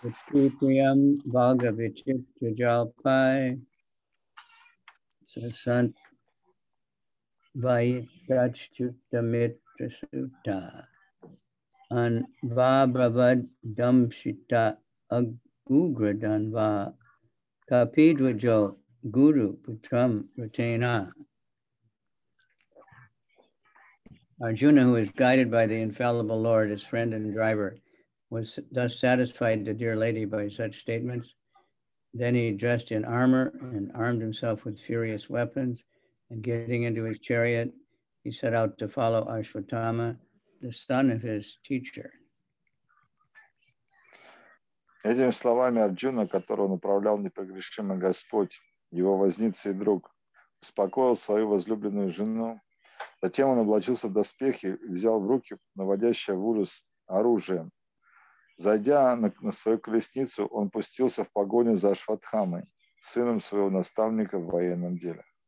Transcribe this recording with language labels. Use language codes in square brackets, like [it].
[sa] Сутриям Бхагавичитра Джалпай Сасант Вайтраччута Митра Сута Ан Вабравад Дамшита Агуградан Ва Капидваджо Гуру Путрам Ратена. [en] Arjuna, who is guided by the infallible Lord, his friend and driver, was thus satisfied the dear lady by such statements. Then he dressed in armor and armed himself with furious weapons, and getting into his chariot, he set out to follow Ashwatthama, the son of his teacher. [ru] Этими словами Арджуна, которого направлял непогрешимый Господь, его возница и друг, успокоил свою возлюбленную жену. Затем он облачился в доспехи и взял в руки наводящее в ужас оружие. Зайдя на свою колесницу, он пустился в погоню за Ашватхамой, сыном своего наставника в военном деле.